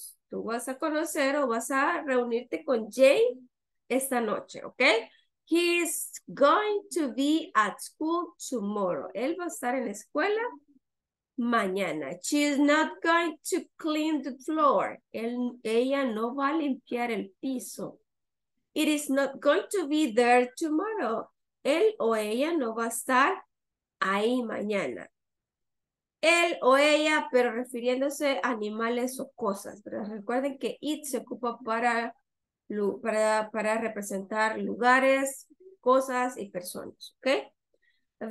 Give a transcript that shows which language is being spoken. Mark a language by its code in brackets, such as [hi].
[es] Tú vas a conocer o vas a reunirte con Jane esta noche, ¿ok? [en] He is going to be at school tomorrow. [es] Él va a estar en la escuela mañana. [en] She is not going to clean the floor. [es] Ella no va a limpiar el piso. [en] It is not going to be there tomorrow. [es] Él o ella no va a estar ahí mañana. Él o ella, pero refiriéndose a animales o cosas. Pero recuerden que it se ocupa para representar lugares, cosas y personas, ¿ok?